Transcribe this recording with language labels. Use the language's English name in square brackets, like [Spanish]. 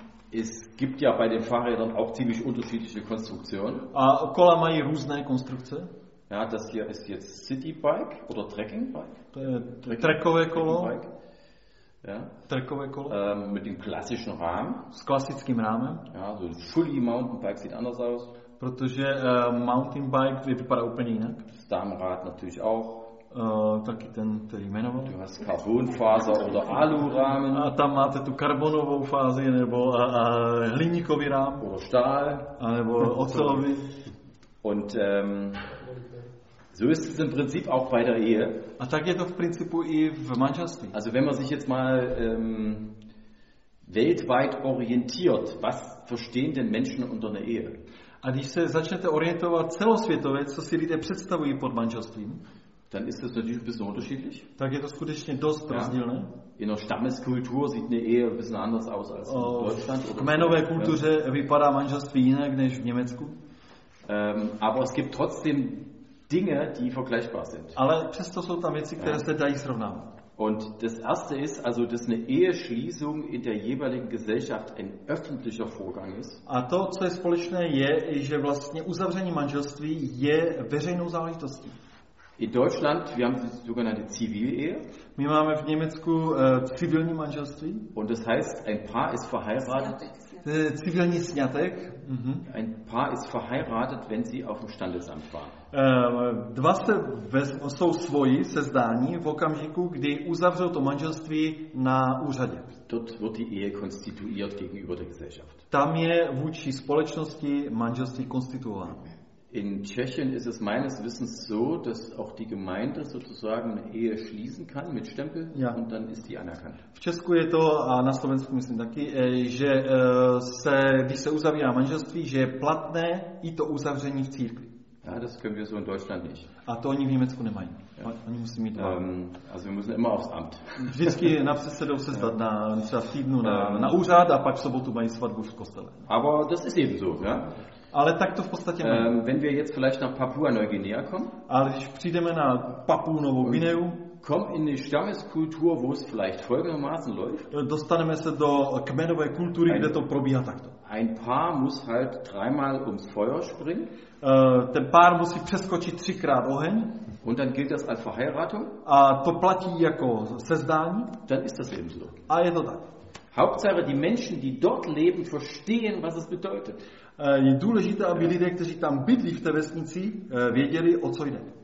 [German] Es gibt ja bei den Fahrrädern auch ziemlich unterschiedliche Konstruktionen. [Czech] A kola mají různé konstrukce. [German] Ja, das hier ist jetzt City Bike oder Trekking Bike. [Czech] To je trekové kolo. [German] Ja. [Czech] Trekové kolo. [German] Mit dem klassischen Rahmen. [Czech] S klasickým rámem. [German] Ja, so ein fully mountain bike sieht anders aus. [Czech] Protože mountain bike vypadá úplně jinak. [German] Damenrad natürlich auch. [Czech] Taky ten, který jmenoval. [German] Du hast Carbonfaser oder Alurahmen. [Czech] A tam máte tu karbonovou fázi nebo hliníkový rám. [German] Oder Stahl. [Czech] A nebo ocelový. [German] Und so ist es im Prinzip auch bei der Ehe. [Czech] A tak je to v principu i v manželství. [German] Also wenn man sich jetzt mal weltweit orientiert, was verstehen denn Menschen unter einer Ehe? [Czech] A když se začnete orientovat celosvětově, co si lidé představují pod manželstvím, [German] dann ist das natürlich ein bisschen unterschiedlich. [Czech] Tak je to skutečně dost rozdílné. [German] In der Stammeskultur sieht eine Ehe ein bisschen anders aus als in Deutschland. [Czech] V kmenové kultuře vypadá manželství jinak než v Německu. [German] Aber es gibt trotzdem Dinge, die vergleichbar sind. [Czech] Ale přesto jsou tam věci, které se dají srovnávat. [German] Und das erste ist, also dass eine Eheschließung in der jeweiligen Gesellschaft ein öffentlicher Vorgang ist. [Czech] A to, co je společné, je, že vlastně uzavření manželství je veřejnou záležitostí. [German] In Deutschland, wir haben die sogenannte Zivilehe. [Czech] My máme v Německu civilní manželství. [German] Und das heißt, ein Paar ist verheiratet. [Czech] Civilní sňatek. [German] Ein Paar ist verheiratet, wenn sie auf dem Standesamt waren. [Czech] Dva jsou svoji sezdání v okamžiku, kdy uzavřou to manželství na úřadě. [German] Dort wird die Ehe konstituiert gegenüber der Gesellschaft. [Czech] Tam je vůči společnosti manželství konstituováno. [German] In Tschechien ist es meines Wissens so, dass auch die Gemeinde sozusagen eine Ehe schließen kann mit Stempel ja. Und dann ist die anerkannt. [Czech] V Česku je to a na Slovensku myslím taky, že když se uzavírá manželství, že je platné i to uzavření v církvi. [German] Ja, das können wir so in Deutschland nicht. [Czech] A to oni v Německu nemají. Ja. Oni musí mít [German] also wir müssen immer aufs Amt. [Czech] Vždycky na předsedou se zdat na třeba v týdnu na úřad a pak v sobotu mají svatbu v kostele. [German] Aber das ist eben so, ja? [Czech] Ale tak to v podstatě máme. [German] Wenn wir jetzt vielleicht nach Papua Neuguinea kommen. [Czech] Ale když přijdeme na Papuu Novou Guineu. [German] Komm in die Stammeskultur, wo es vielleicht folgendermaßen läuft. [Czech] Dostaneme se do kmenové kultury, kde to probíhá takto. [German] Ein Paar muss halt dreimal ums Feuer springen. [Czech] Ten pár musí přeskočit třikrát oheň. [German] Und dann gilt das als Verheiratung. [Czech] A to platí jako sezdání. [German] Dann ist das eben so. [Czech] A je to tak. [German] Hauptsache, die Menschen, die dort leben, verstehen, was es bedeutet. [Czech] Je důležité, aby lidé, kteří tam bydlí v té vesnici, věděli, o co jde.